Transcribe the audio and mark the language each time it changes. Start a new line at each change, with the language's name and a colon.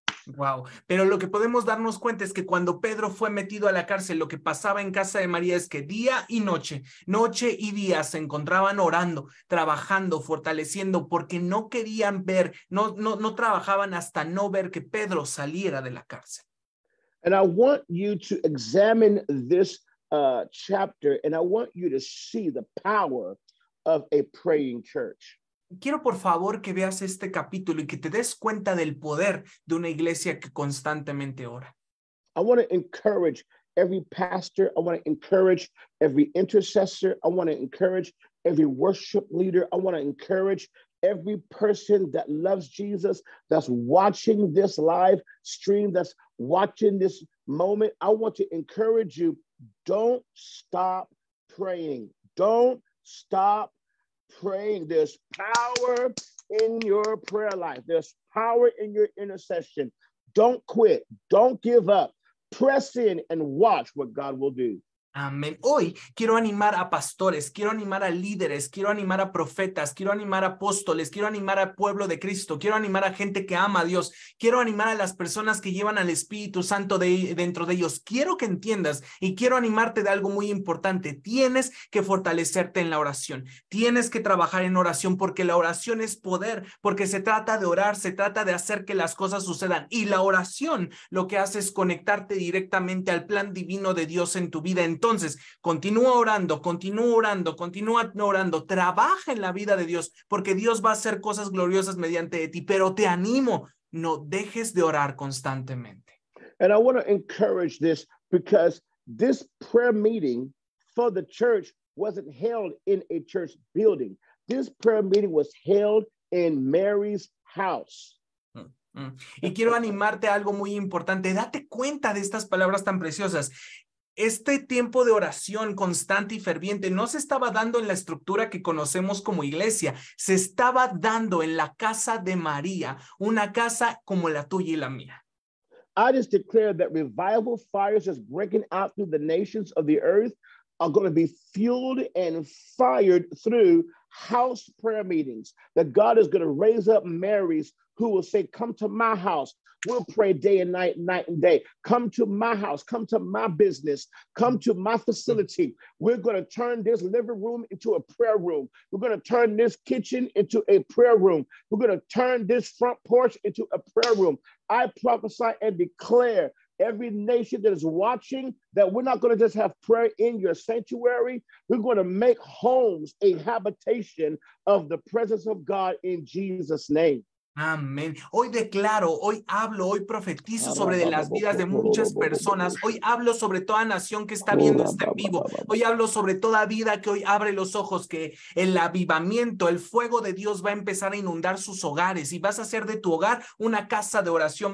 Spanish: Wow, pero lo que podemos darnos cuenta es que cuando Pedro fue metido a la cárcel, lo que pasaba en casa de María es que día y noche, noche y día se encontraban orando, trabajando, fortaleciendo, porque no querían ver, no trabajaban hasta no ver que Pedro saliera de la cárcel.
English: And I want you to examine this chapter, and I want you to see the power of a praying church.
Spanish: Quiero por favor que veas este capítulo y que te des cuenta del poder de una iglesia que constantemente ora.
English: I want to encourage every pastor. I want to encourage every intercessor. I want to encourage every worship leader. I want to encourage every person that loves Jesus, that's watching this live stream, that's watching this moment. I want to encourage you, don't stop praying. Don't stop praying. There's power in your prayer life. There's power in your intercession. Don't quit. Don't give up. Press in and watch what God will do.
Spanish: Amén. Hoy quiero animar a pastores, quiero animar a líderes, quiero animar a profetas, quiero animar a apóstoles, quiero animar al pueblo de Cristo, quiero animar a gente que ama a Dios, quiero animar a las personas que llevan al Espíritu Santo dentro de ellos. Quiero que entiendas y quiero animarte de algo muy importante. Tienes que fortalecerte en la oración. Tienes que trabajar en oración porque la oración es poder, porque se trata de orar, se trata de hacer que las cosas sucedan. Y la oración lo que hace es conectarte directamente al plan divino de Dios en tu vida. Entonces, continúa orando, continúa orando, continúa orando, trabaja en la vida de Dios, porque Dios va a hacer cosas gloriosas mediante de ti, pero te animo, no dejes de orar constantemente.
English: And I want to encourage this because this prayer meeting for the church wasn't held in a church building. This prayer meeting was held in Mary's house.
Spanish: Y quiero animarte a algo muy importante. Date cuenta de estas palabras tan preciosas. Este tiempo de oración constante y ferviente no se estaba dando en la estructura que conocemos como iglesia, se estaba dando en la casa de María, una casa como la tuya y la mía.
English: I just declare that revival fires just breaking out through the nations of the earth are going to be fueled and fired through house prayer meetings, that God is going to raise up Marys who will say, come to my house. We'll pray day and night, night and day. Come to my house. Come to my business. Come to my facility. We're going to turn this living room into a prayer room. We're going to turn this kitchen into a prayer room. We're going to turn this front porch into a prayer room. I prophesy and declare every nation that is watching that we're not going to just have prayer in your sanctuary. We're going to make homes a habitation of the presence of God in Jesus' name.
Spanish: Amén. Hoy declaro, hoy hablo, hoy profetizo sobre de las vidas de muchas personas. Hoy hablo sobre toda nación que está viendo este vivo. Hoy hablo sobre toda vida que hoy abre los ojos, que el avivamiento, el fuego de Dios va a empezar a inundar sus hogares y vas a hacer de tu hogar una casa de oración.